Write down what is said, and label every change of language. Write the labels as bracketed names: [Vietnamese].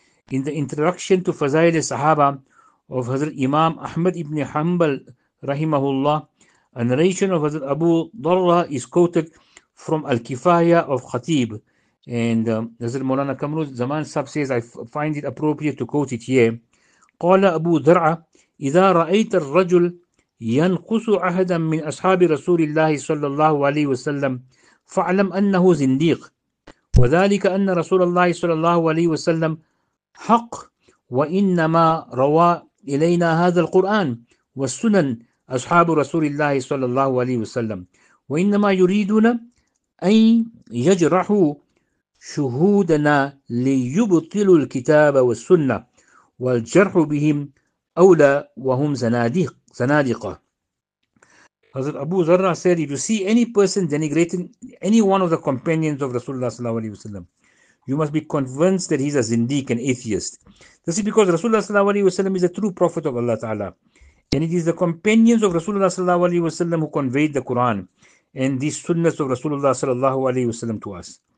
[English] In the introduction to Fazail al-Sahaba of Hazrat Imam Ahmad ibn Hanbal rahimahullah, a narration of Hazrat Abu Darra is quoted from Al-Kifaya of Khatib. And Hazrat Mawlana Kamruz Zaman Sab says, I find it appropriate to quote it here. [Arabic] Qala Abu Dar'a, إذا رأيت الرجل ينقص عهدا من أصحاب رسول الله صلى الله عليه وسلم فعلم أنه زنديق. وذلك أن رسول الله صلى الله عليه وسلم حق وإنما روى إلينا هذا القرآن والسنن أصحاب رسول الله صلى الله عليه وسلم وإنما يريدون أن يجرحوا شهودنا ليبطلوا الكتاب والسنة والجرح بهم أولى وهم زنادقة. [English] Hazrat Abu Zarra said, if you see any person denigrating any one of the companions of Rasulullah sallallahu alayhi wa sallam, you must be convinced that he's a zindiq, an atheist. This is because Rasulullah sallallahu alayhi wa sallam is a true prophet of Allah Ta'ala. And it is the companions of Rasulullah sallallahu alayhi wa sallam who conveyed the Quran and these sunnahs of Rasulullah sallallahu alayhi wa sallam to us.